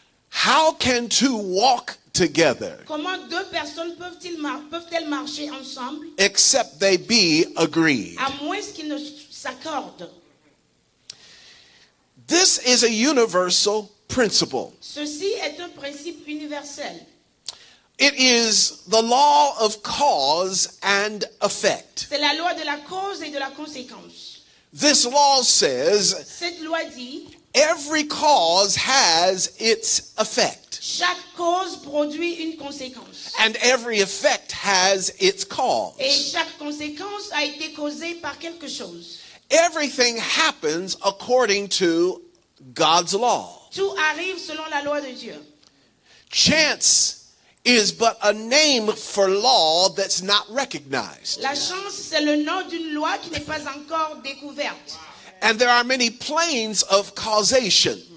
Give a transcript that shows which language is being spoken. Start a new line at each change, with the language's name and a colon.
English: How can two walk together?
French: Comment deux personnes peuvent-elles marcher ensemble?
English: Except they be agreed.
French: À moins qu'ils ne s'accordent.
English: This is a universal principle.
French: Ceci est un principe universel.
English: It is the law of cause and effect.
French: C'est la loi de la cause et de la conséquence.
English: This law says,
French: cette loi dit,
English: every cause has its effect.
French: Chaque cause produit une conséquence.
English: And every effect has its cause.
French: Et chaque conséquence a été causée par quelque chose.
English: Everything happens according to God's law.
French: Tout arrive selon la loi de Dieu.
English: Chance is but a name for law that's not recognized.
French: La chance, c'est le nom d'une loi qui n'est pas encore découverte.
English: And there are many planes of causation.